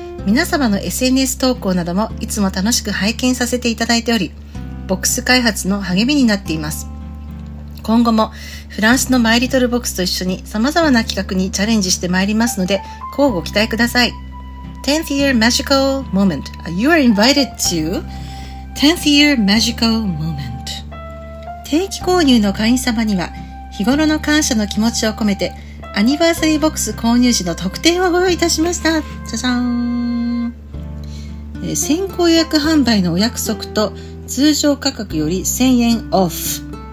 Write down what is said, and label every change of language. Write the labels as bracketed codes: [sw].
[ja] 皆様の SNS 投稿などもいつも楽しく拝見させていただいており、ボックス開発の励みになっています。今後もフランスのマイリトルボックスと一緒に様々な企画にチャレンジしてまいりますので、乞うご期待ください。 [en] 10th year magical moment. You are invited to 10th year magical moment. [ja] 定期購入の会員様には日頃の感謝の気持ちを込めてアニバーサリーボックス購入時の特典をご用意いたしました。じゃじゃーん。先行予約販売のお約束と通常価格より1000円オフ。